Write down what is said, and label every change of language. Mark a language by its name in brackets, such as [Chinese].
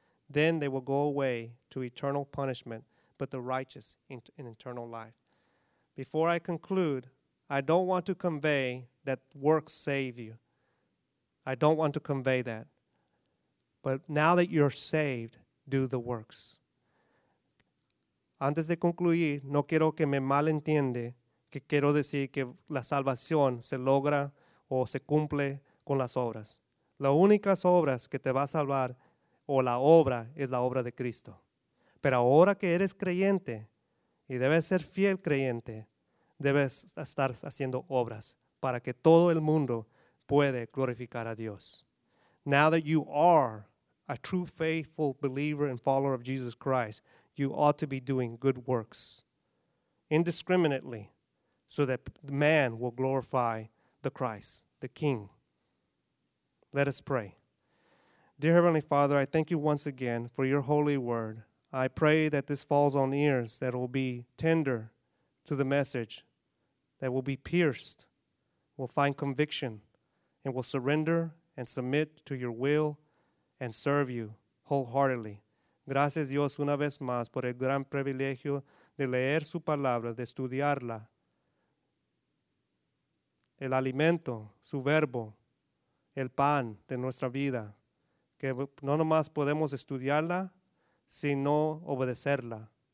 [English] Then they will go away to eternal punishment, but the righteous in eternal life. Before I conclude, I don't want to convey that works save you. I don't want to convey that. But now that you're saved, do the works. [Spanish] Antes de concluir, no quiero que me malentiende, que quiero decir que la salvación se logra o se cumple con las obras. Las únicas obras que te va a salvar o la obra es la obra de Cristo. Pero ahora que eres creyente y debes ser fiel creyente, debes estar haciendo obras para que todo el mundo puede glorificar a Dios. [English] Now that you are a true faithful believer and follower of Jesus Christ, you ought to be doing good works indiscriminately so that man will glorify the Christ, the King. Let us pray. Dear Heavenly Father, I thank you once again for your holy word. I pray that this falls on ears that will be tender to the message, that will be pierced, will find conviction, and will surrender and submit to your will and serve you wholeheartedly. [Spanish] Gracias Dios una vez más por el gran privilegio de leer su palabra, de estudiarla. El alimento, su verbo, el pan de nuestra vida. Que no nomás podemos estudiarla, sino obedecerla.